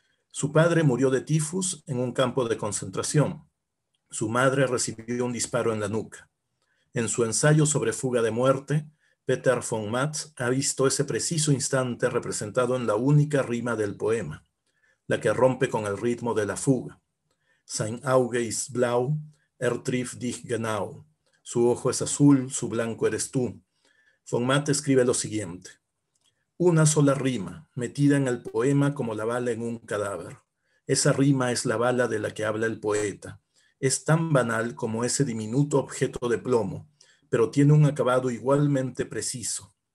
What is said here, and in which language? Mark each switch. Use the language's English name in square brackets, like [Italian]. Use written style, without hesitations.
[Spanish] Su padre murió de tifus en un campo de concentración. Su madre recibió un disparo en la nuca. En su ensayo sobre fuga de muerte, Peter von Matt ha visto ese preciso instante representado en la única rima del poema, la que rompe con el ritmo de la fuga. [German] Sein Auge ist blau, trifft dich genau. [Spanish] Su ojo es azul, su blanco eres tú. Von Matt escribe lo siguiente. Una sola rima, metida en el poema como la bala en un cadáver. Esa rima es la bala de la que habla el poeta. Es tan banal como ese diminuto objeto de plomo, pero tiene un acabado igualmente preciso.